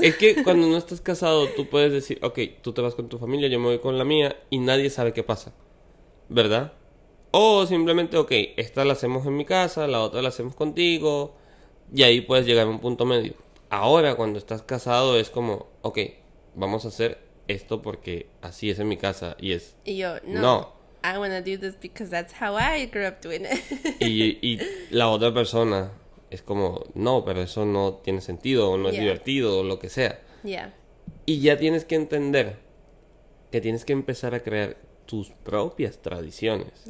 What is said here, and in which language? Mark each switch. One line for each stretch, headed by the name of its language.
Spanish: Es que cuando no estás casado, tú puedes decir, ok, tú te vas con tu familia, yo me voy con la mía, y nadie sabe qué pasa, ¿verdad? O simplemente, ok, esta la hacemos en mi casa, la otra la hacemos contigo, y ahí puedes llegar a un punto medio. Ahora, cuando estás casado, es como, ok, vamos a hacer esto porque así es en mi casa, y es... Y yo, no.
English: I want to do this because that's how I grew up doing it.
Spanish: Y la otra persona es como, no, pero eso no tiene sentido, o no es divertido, o lo que sea. Yeah. Y ya tienes que entender que tienes que empezar a crear tus propias tradiciones.